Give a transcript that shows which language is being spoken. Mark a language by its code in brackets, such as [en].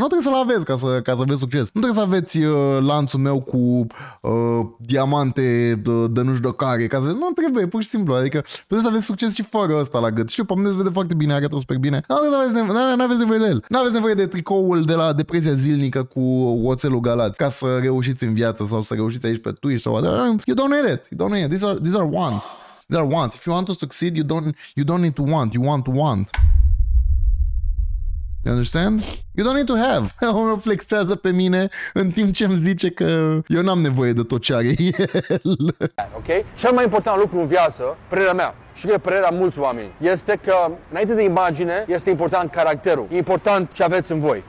[ro] Nu trebuie să-l aveți ca să aveți succes. Nu trebuie să aveți lanțul meu cu diamante de nu știu de care. Ca să aveți... Nu trebuie, pur și simplu. Adică trebuie să aveți succes și fără ăsta la gât. Știu, pe mine se vede foarte bine, arată super bine. Nu aveți nevoie de tricoul de la depresia zilnică cu oțelul Galați ca să reușiți în viață sau să reușiți aici pe Twitch sau whatever. [en] You don't need it. These are wants. If you want to succeed, you don't need to want. You want to want. You understand? You don't need to have. [ro] Omul flexează pe mine în timp ce îmi zice că eu n-am nevoie de tot ce are el. Okay? Cel mai important lucru în viață, părerea mea, și că e părerea mulți oameni, este că înainte de imagine, este important caracterul. E important ce aveți în voi.